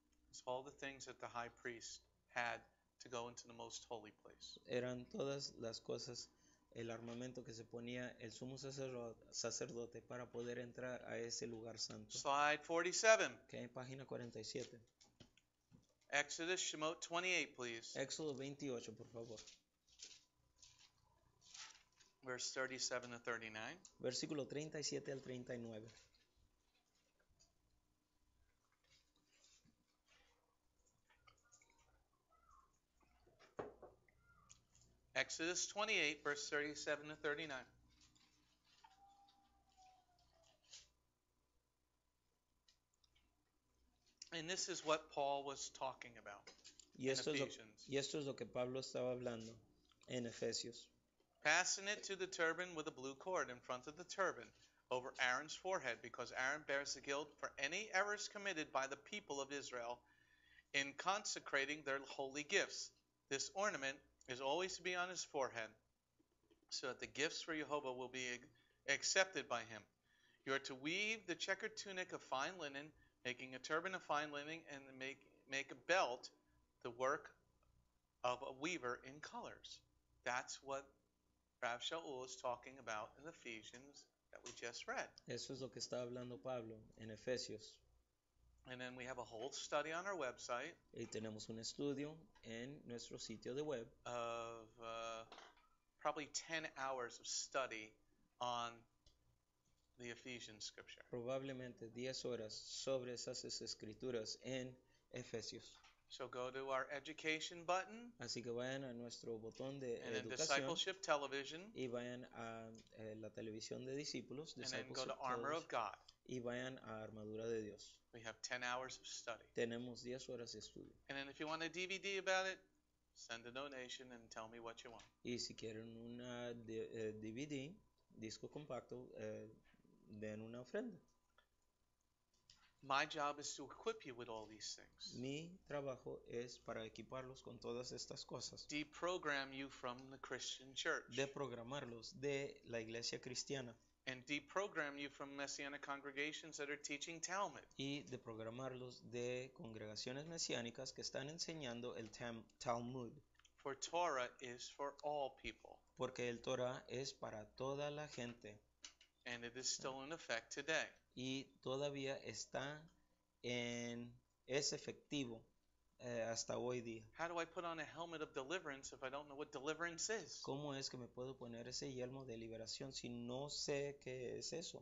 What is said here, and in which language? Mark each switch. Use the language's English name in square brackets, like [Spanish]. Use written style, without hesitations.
[English] It's all the things that the high priest had to go into the most holy place. [Spanish] Eran todas las cosas, el armamento que se ponía el sumo sacerdote para poder entrar a ese lugar santo. [English] Slide 47. [Spanish] Okay, página 47. [English] Exodus Shemot 28, please. [Spanish] Éxodo 28, por favor. [English] Verse 37 to 39. [Spanish] Versículo 37 al 39. [English] Exodus 28, verse 37 to 39. And this is what Paul was talking about [Spanish] y esto es lo que Pablo estaba hablando en Efesios. [English] Passing it to the turban with a blue cord in front of the turban over Aaron's forehead, because Aaron bears the guilt for any errors committed by the people of Israel in consecrating their holy gifts. This ornament is always to be on his forehead, so that the gifts for Jehovah will be accepted by him. You are to weave the checkered tunic of fine linen, making a turban of fine linen, and make a belt, the work of a weaver in colors. That's what Rav Shaul is talking about in Ephesians that we just read. [Spanish] Eso es lo que está hablando Pablo en Efesios. [English] And then we have a whole study on our website. [Spanish] Y tenemos un estudio en nuestro sitio de web. [English] Of probably 10 hours of study on the Ephesian scripture. [Spanish] Probablemente 10 horas sobre esas escrituras en Efesios. [English] So go to our education button. [Spanish] Así que vayan a nuestro botón de [English] and [Spanish] educación. [English] And discipleship television. [Spanish] Y vayan a la televisión de discípulos. [English] And then go to armor of God. [Spanish] Y vayan a armadura de Dios. [English] We have 10 hours of study. [Spanish] Tenemos 10 horas de estudio. [English] And then if you want a DVD about it, send a donation and tell me what you want. [Spanish] Y si quieren una DVD, disco compacto, den una ofrenda. [English] My job is to equip you with all these things. [Spanish] Mi trabajo es para equiparlos con todas estas cosas. [English] Deprogram you from the Christian church. [Spanish] Deprogramarlos de la iglesia cristiana. [English] And deprogram you from messianic congregations that are teaching Talmud. [Spanish] Y deprogramarlos de congregaciones mesiánicas que están enseñando el Talmud. [English] For Torah is for all people. [Spanish] Porque el Torah es para toda la gente. [English] And it is still in effect today. [Spanish] Y todavía está en es efectivo hasta hoy día. [English] How do I put on a helmet of deliverance if I don't know what deliverance is? [Spanish] ¿Cómo es que me puedo poner ese yelmo de liberación si no sé qué es eso?